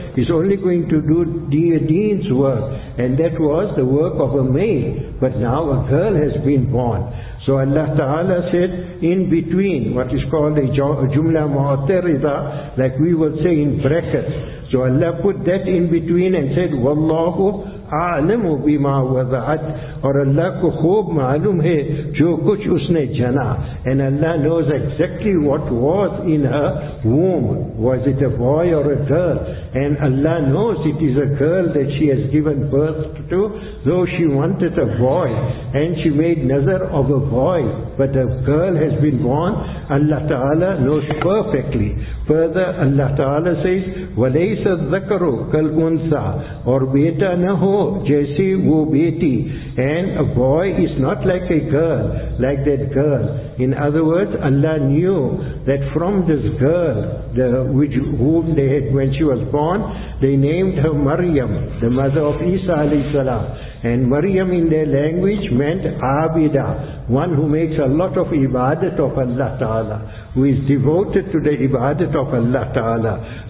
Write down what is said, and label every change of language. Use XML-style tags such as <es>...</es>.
<en>He's only going to do deen's work. And that was the work of a maid. But now a girl has been born. So Allah Ta'ala said, in between, what is called a jumla mu'tarida, like we will say in brackets. So Allah put that in between and said, Wallahu</en> <ar>عالم و بیما وضعت,</ar> <ur>اور اللہ کو خوب معلوم ہے جو کچھ اس نے جنا.</ur> <en>And Allah knows exactly what was in her womb. Was it a boy or a girl? And Allah knows it is a girl that she has given birth to, though she wanted a boy. And she made nazar of a boy, but a girl has been born. Allah Ta'ala knows perfectly. Further, Allah Ta'ala says,</en> <ar>وَلَيْسَ الذَّكَرُ كَالْأُنْثَى,</ar> <ur>اور بیٹا نہ ہو جیسے وہ بیٹی.</ur> <en>And a boy is not like a girl, like that girl. In other words, Allah knew that from this girl, whom they had, when she was born, they named her Maryam, the mother of Isa alayhi salam. And Maryam in their language meant Abida, one who makes a lot of ibadat of Allah Ta'ala, who is devoted to the ibadat of Allah Ta'ala.</en>